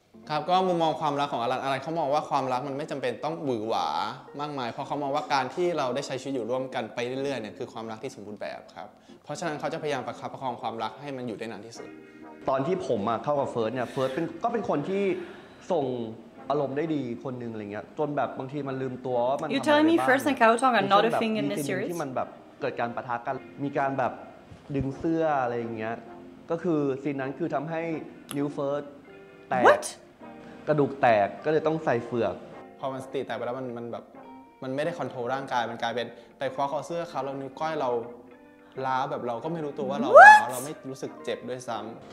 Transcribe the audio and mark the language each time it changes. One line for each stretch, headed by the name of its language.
Thai: ครับก็มุมมองความรักของอลันเขามองว่าความรักมันไม่จำเป็นต้องหวือหวามากมายเพราะเขามองว่าการที่เราได้ใช้ชีวิตอยู่ร่วมกันไปเรื่อยๆเนี่ยคือความรักที่สมบูรณ์แบบครับเพราะฉะนั้นเขาจะพยายามประคับประคองความรักให้มันอยู่ได้นานที่สุด ตอนที่ผมเข้ากับเฟิร์สเนี่ยเฟิร์สเป็นคนที่ส่งอารมณ์ได้ดีคนนึงอะไรเงี้ยจนแบบบางทีมันลืมตัวว่ามัน
English: You telling me first and Kao Tong are not a thing in this series
Thai: ที่มันแบบเกิดการปะทะกันมีการแบบดึงเสื้ออะไรอย่างเงี้ยก็คือซีนนั้นคือทำให้นิ้วเฟิร์สแตกกระดูกแตกก็เลยต้องใส่เฟือก พอมันสติแตกไปแล้วมันแบบมันไม่ได้คอนโทรลร่างกายมันกลายเป็นไปคว้าคอเสื้อเขาแล้วนิ้วก้อยเราล้าแบบเราก็ไม่รู้ตัวว่าเราไม่รู้สึกเจ็บด้วยซ้ำ